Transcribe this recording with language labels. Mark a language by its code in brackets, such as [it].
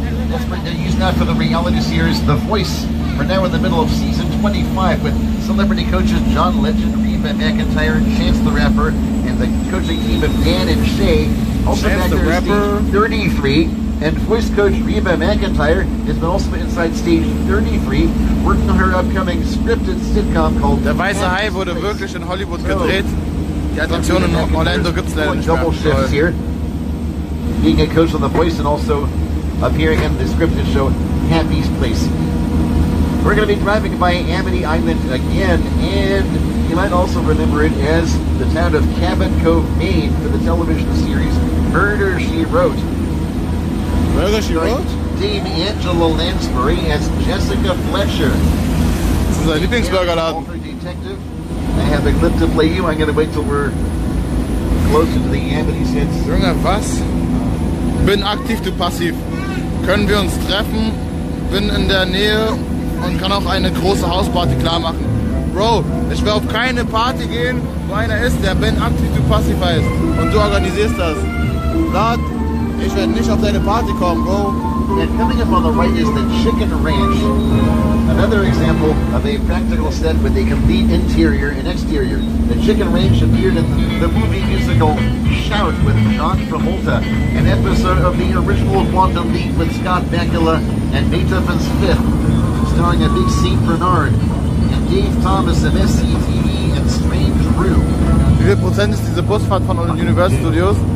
[en] That's what they're using that for the reality series, The Voice. We're now in the middle of season 25 with celebrity coaches John Legend, Reba McEntire, Chance the Rapper, and the coaching team of Dan and Shay. Also, Chance the Rapper. Stage 33. And voice coach Reba McEntire has been also inside stage 33, working on her upcoming scripted sitcom called [de] Der Weiße Hai wurde wirklich in Hollywood gedreht. Die Attraktion in Orlando gibt's leider nicht. [en] Double shifts here. Being a coach on The Voice and also appearing in the scripted show Happy's Place. We're going to be driving by Amity Island again, and you might also remember it as the town of Cabot Cove, Maine, for the television series Murder, She Wrote. Dame Angela Lansbury as Jessica Fletcher. This is a Lieblingsburgerladen. I have a clip to play you. I'm going to wait till we're closer to the Amity sets. [de] Junge, was? Bin aktiv, du passiv. Können wir uns treffen? Bin in der Nähe und kann auch eine große Hausparty klar machen. Bro, ich will auf keine Party gehen, wo einer ist, der bin aktiv, du passiv heißt. Und du organisierst das. Not. Ich werde nicht auf deine Party kommen, Bro. [en] And coming up on the right is the Chicken Ranch. Another example of a practical set with a complete interior and exterior. The Chicken Ranch appeared in the movie musical Shout with John Travolta, an episode of the original Quantum Leap with Scott Bakula and Beethoven Smith, starring a big Saint Bernard and Dave Thomas of SCTV and Strange Brew. [de] Wie viel Prozent ist diese Busfahrt von Universal Studios?